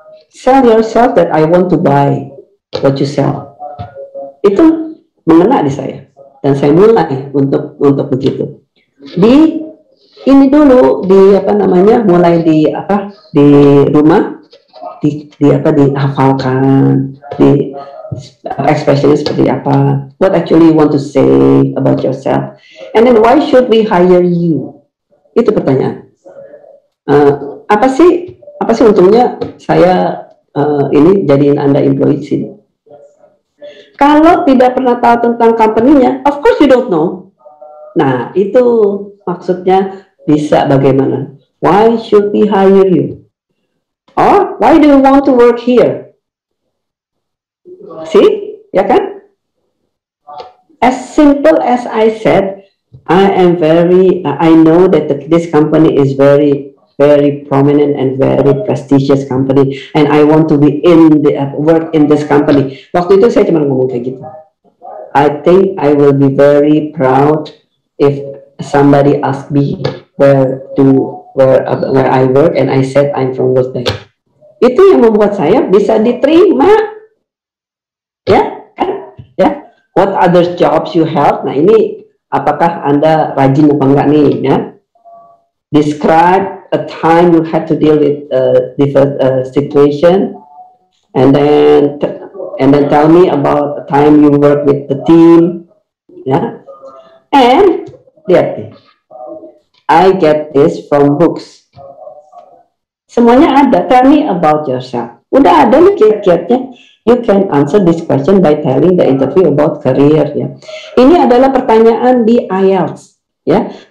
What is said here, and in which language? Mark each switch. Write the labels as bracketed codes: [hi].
[en] Sell yourself that I want to buy what you sell. [id] Itu mengena di saya dan saya mulai untuk begitu. Di ini dulu di apa namanya mulai di apa di rumah di apa dihafalkan di expression seperti apa [en] what actually you want to say about yourself and then why should we hire you? [id] Itu pertanyaan. Apa sih untungnya saya ini jadiin Anda employee sini. Kalau tidak pernah tahu tentang company-nya, [en] of course you don't know. [id] Nah, itu maksudnya bisa bagaimana? [en] Why should we hire you? Or why do you want to work here? See? [id] Ya kan? [en] As simple as I said, I am very, I know that this company is very very prominent and very prestigious company and I want to be in the work in this company. [id] Waktu itu saya cuma ngomong kayak gitu. [en] I think I will be very proud if somebody ask me where I work and I said I'm from Worldbank. [id] Itu yang membuat saya bisa diterima. [en] Ya? Yeah? Ya? Yeah? What other jobs you have? [id] Nah, ini apakah Anda rajin apa enggak nih, ya? [en] Yeah? Describe a time you had to deal with a different situation, and then tell me about the time you work with the team, yeah. And lihat, I get this from books. [id] Semuanya ada. [en] Tell me about yourself. [id] Udah ada nih kiat-kiatnya. [en] You can answer this question by telling the interview about career. Yeah. [id] Ini adalah pertanyaan di IELTS, yeah.